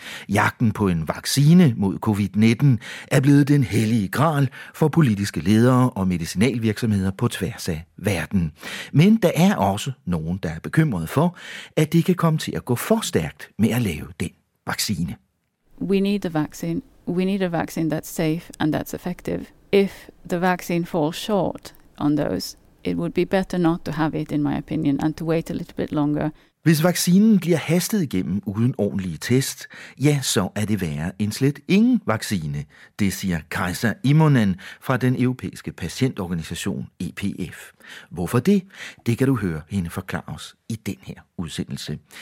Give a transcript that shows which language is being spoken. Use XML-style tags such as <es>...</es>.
<da>Jagten på en vaccine mod covid-19 er blevet den hellige gral for politiske ledere og medicinalvirksomheder på tværs af verden. Men der er også nogen, der er bekymret for, at det kan komme til at gå for stærkt med at lave den vaccine.</da> <en>We need a vaccine. We need a vaccine that's safe and that's effective. If the vaccine falls short on those, it would be better not to have it, in my opinion, and to wait a little bit longer.</en> <da>Hvis vaccinen bliver hastet igennem uden ordentlige test, ja, så er det værre end slet ingen vaccine, det siger Kaisa Immonen fra den europæiske patientorganisation EPF. Hvorfor det? Det kan du høre hende forklare os i den her udsendelse.</da>